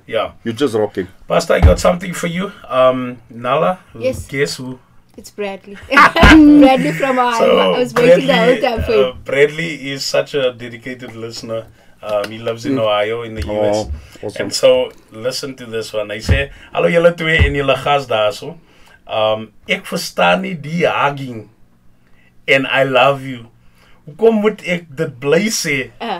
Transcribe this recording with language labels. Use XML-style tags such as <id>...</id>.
<en>Yeah. You're just rocking. Pastor, I got something for you. Nala. Yes. Guess who? It's Bradley. Bradley from Iowa. So I was waiting the whole time for you. Bradley is such a dedicated listener. He lives in Ohio, in the U.S. Awesome. And so, listen to this one. I say,</en> <af>hallo julle twee en julle gas daarso. Ek verstaan nie die hugging.</af> <en>And I love you.</en> <af>Hoekom moet ek dit bly sê?</af>